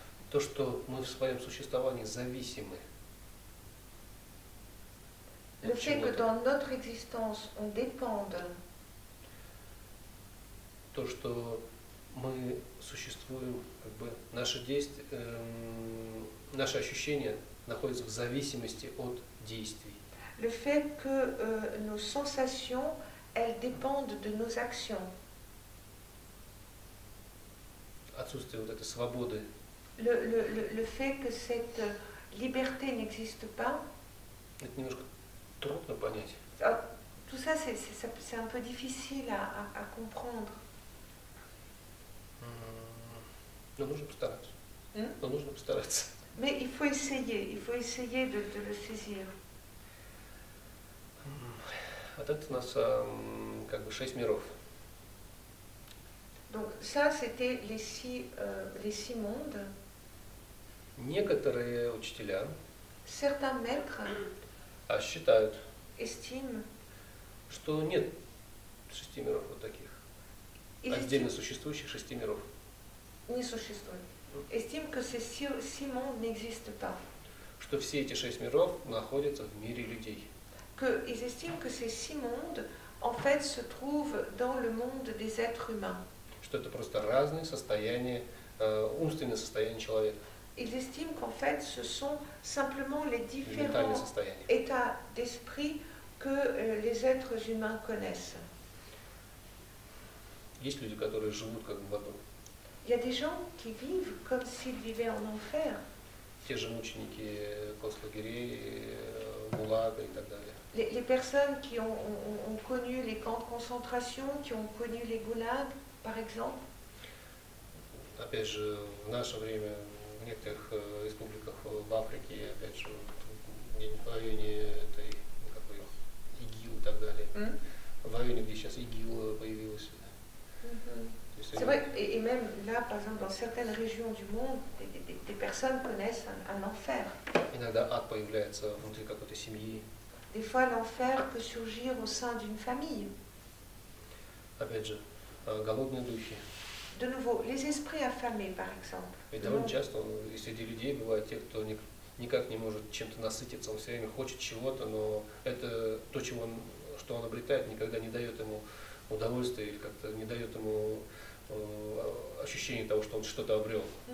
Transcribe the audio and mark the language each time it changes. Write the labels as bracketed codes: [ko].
[ru] То, что мы в своем существовании зависимы. [fr] Le fait que dans notre existence on dépende. [ru] То, что мы существуем, как бы наши действия, наши ощущения находятся в зависимости от действий. [fr] Le fait que nos sensations, elles dépendent de nos actions. [ru] Отсутствие вот этой свободы. [fr] Le fait que cette liberté n'existe pas. [ru] Это немножко трудно понять. [fr] Tout ça, c'est un peu difficile à comprendre. [ru] Но нужно постараться. Но нужно постараться. [fr] Mais il faut essayer de le saisir. [ru] Вот это у нас как бы шесть миров. [fr] Donc ça, c'était les six mondes. [ru] Некоторые учителя [fr] Certains maîtres [ru] считают, [fr] estime, [ru] что нет шести миров вот таких, отдельно существующих шести миров. Не существует. [fr] Estime que ces six mondes n'existent pas. [ru] Что все эти шесть миров находятся в мире людей. [fr] Que ils estiment que ces six mondes en fait se trouvent dans le monde des êtres humains. [ru] Что это просто разные состояния, умственное состояние человека. [fr] Ils estiment qu'en fait, ce sont simplement les différents états d'esprit que les êtres humains connaissent. [ru] Есть люди, которые живут как в аду. [fr] Il y a des gens qui vivent comme s'ils vivaient en enfer. [ru] Те же мученики, концлагерей, гулаг и так далее. [fr] Les personnes qui ont connu les camps de concentration, qui ont connu les gulags, par exemple. [ru] Опять же, в наше время в некоторых республиках в Африке, опять же, в районе этой, как бы, ИГИЛ и так далее. В районе, где сейчас ИГИЛ появилась. [fr] C'est vrai, et même là, par exemple, dans certaines régions du monde, des personnes connaissent un enfer. [ru] Иногда ад появляется внутри какой-то семьи. [fr] Des fois, l'enfer peut surgir au sein d'une famille. [ru] Опять же, голодные духи. [fr] De nouveau, les esprits affamés, par exemple. Et [ru] довольно часто среди людей бывают те, кто никак не может чем-то насытиться, он все время хочет чего-то, но это то, что он обретает, никогда не дает ему удовольствия или как-то не дает ему ощущения того, что он что-то обрел.